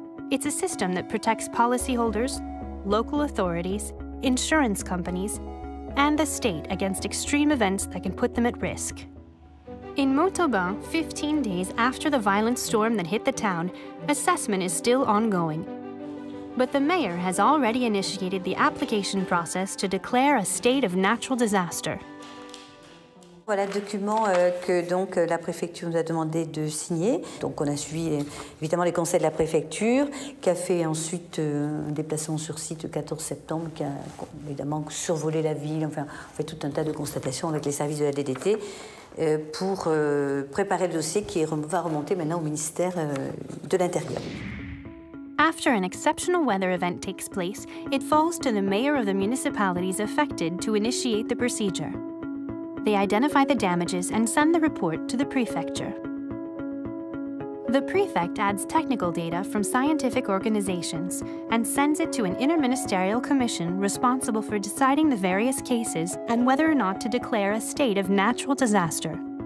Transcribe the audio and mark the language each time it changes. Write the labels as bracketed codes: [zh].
[en] It's a system that protects policyholders, local authorities, insurance companies, and the state against extreme events that can put them at risk. In Montauban, 15 days after the violent storm that hit the town, assessment is still ongoing. But the mayor has already initiated the application process to declare a state of natural disaster. [fr] Voilà le document que donc la préfecture nous a demandé de signer. Donc on a suivi évidemment les conseils de la préfecture, qui a fait ensuite un déplacement sur site le 14 septembre, qui a évidemment survolé la ville, enfin on fait tout un tas de constatations avec les services de la DDT pour préparer le dossier qui va remonter maintenant au ministère de l'Intérieur. [en] After an exceptional weather event takes place, it falls to the mayor of the municipalities affected to initiate the procedure. They identify the damages and send the report to the prefecture. The prefect adds technical data from scientific organizations and sends it to an interministerial commission responsible for deciding the various cases and whether or not to declare a state of natural disaster.